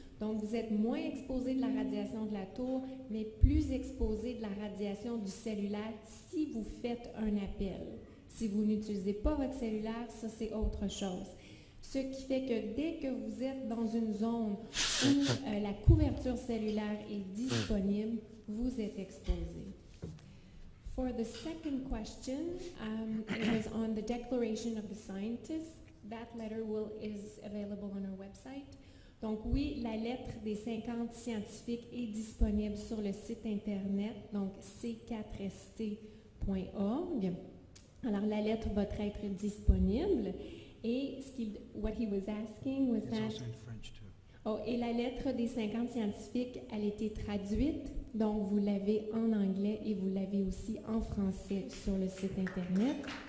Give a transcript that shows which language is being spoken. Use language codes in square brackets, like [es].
[fr] Donc, vous êtes moins exposé de la radiation de la tour, mais plus exposé de la radiation du cellulaire si vous faites un appel. Si vous n'utilisez pas votre cellulaire, ça, c'est autre chose. Ce qui fait que dès que vous êtes dans une zone où la couverture cellulaire est disponible, vous êtes exposé. [en] For the second question, it was on the declaration of the scientist. That letter is available on our website. [fr] Donc oui, la lettre des 50 scientifiques est disponible sur le site internet, donc c4st.org. Alors la lettre va être disponible. Et ce qu'il, [en] what he was asking was it's that... also in French too. [fr] Oh, et la lettre des 50 scientifiques, elle a été traduite, donc vous l'avez en anglais et vous l'avez aussi en français sur le site internet.